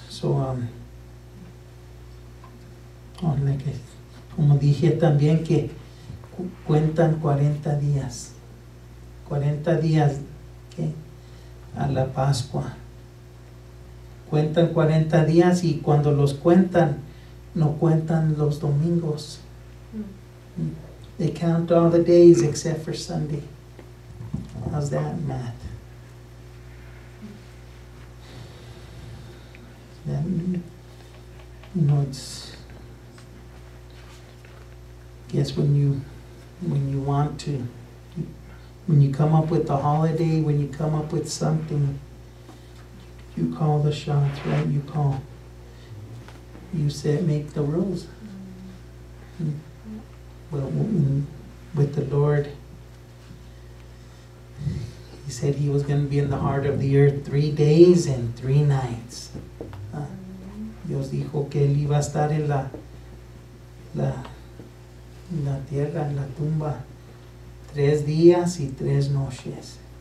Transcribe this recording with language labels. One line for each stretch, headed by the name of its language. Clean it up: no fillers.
Spanish: So, como dije también, que cuentan 40 días. 40 días, ¿qué? A la Pascua. Cuentan 40 días y cuando los cuentan, no cuentan los domingos.
English: They count all the days except for Sunday. How's that math? Then, you know, it's, guess when you want to, when you come up with a holiday, when you come up with something, you call the shots, right? You call, you say, make the rules. Well, with the Lord, he said he was going to be in the heart of the earth 3 days and 3 nights.
Spanish: Dios dijo que él iba a estar en la tierra, en la tumba, 3 días y 3 noches.